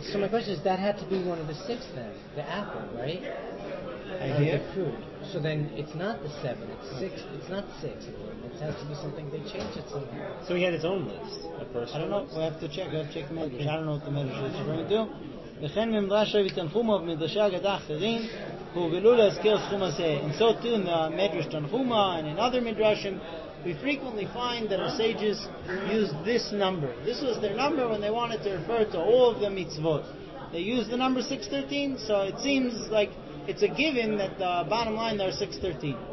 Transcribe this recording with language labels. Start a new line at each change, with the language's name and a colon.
English: So my question is, that had to be one of the six then. The apple, right? Idea? The fruit. So then it's not the seven, it's six. It's not six. It has to be something they changed it somehow. So he had his own list, a personal list. I don't know. We'll have to check the Medrash. I don't know what the Medrash is referring to.
Hebrew: וכן ממדרש רבי תנחומו ומדרשי אגדה אחרים הורגלו להזכיר סכום הזה.
English: And so too in the Medrash Tanchuma and in other Midrashim, we frequently find that our sages use this number. This was their number when they wanted to refer to all of the mitzvot. They used the number 613, so it seems like it's a given that the bottom line there are 613.